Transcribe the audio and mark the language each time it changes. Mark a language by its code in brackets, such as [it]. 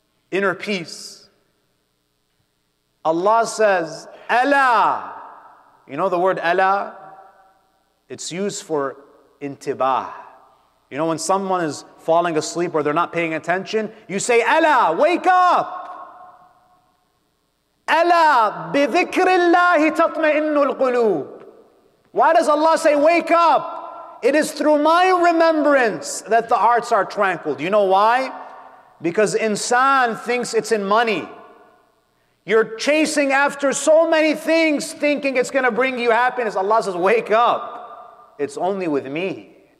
[en] Inner peace. Allah says, Ala. You know the word Ala? It's used for intibah. You know when someone is falling asleep or they're not paying attention, you say, Ala, wake up. [ar] ألا بذكر الله تطمئن القلوب. [en] Why does Allah say, wake up? It is through my remembrance that the hearts are tranquil. Do you know why? Because insan thinks it's in money. You're chasing after so many things thinking it's going to bring you happiness. Allah says, wake up. It's only with me.